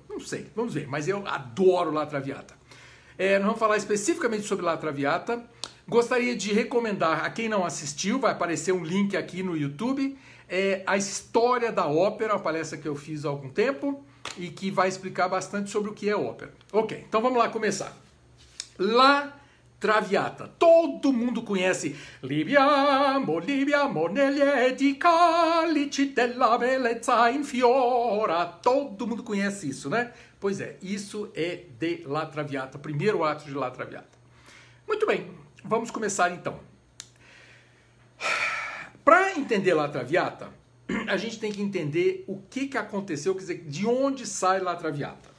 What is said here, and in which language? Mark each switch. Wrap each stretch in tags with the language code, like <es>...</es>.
<pt>Não sei, vamos ver, mas eu adoro La Traviata. Nós vamos falar especificamente sobre La Traviata. Gostaria de recomendar a quem não assistiu, vai aparecer um link aqui no YouTube, a história da ópera, uma palestra que eu fiz há algum tempo e que vai explicar bastante sobre o que é ópera. Ok, então vamos lá começar. La Traviata. Todo mundo conhece.</pt> <it>Libiamo, libiamo nelle edicalici della bellezza in fiora.</it> <pt>Todo mundo conhece isso, né? Pois é, isso é de La Traviata, primeiro ato de La Traviata. Muito bem, vamos começar então. Para entender La Traviata, a gente tem que entender o que, que aconteceu, quer dizer, de onde sai La Traviata.</pt>